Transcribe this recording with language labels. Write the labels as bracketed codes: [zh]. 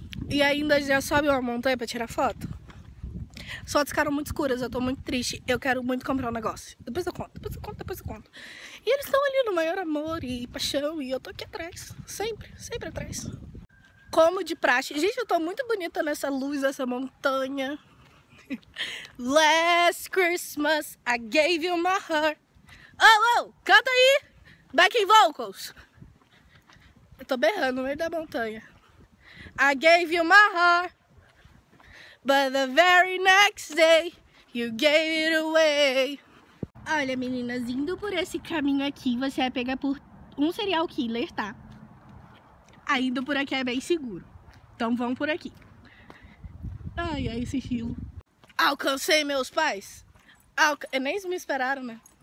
[pt] E ainda já sobe uma montanha pra tirar foto? As fotos ficaram muito escuras, eu tô muito triste. Eu quero muito comprar um negócio. Depois eu conto. E eles estão ali no maior amor e paixão e eu tô aqui atrás. Sempre atrás. Como de praxe. Gente, eu tô muito bonita nessa luz, nessa montanha. [en] Last Christmas I gave you my heart. [pt] Oh, oh, canta aí. [en] Backing vocals. [pt] Eu tô berrando no meio da montanha. [en] I gave you my heart, but the very next day you gave it away. [pt] Olha, meninas, indo por esse caminho aqui, você vai pegar por um serial killer, tá? Aí indo por aqui é bem seguro. Então vamos por aqui. Ai, é esse estilo. Alcancei meus pais? Ah, nem me esperaram, né?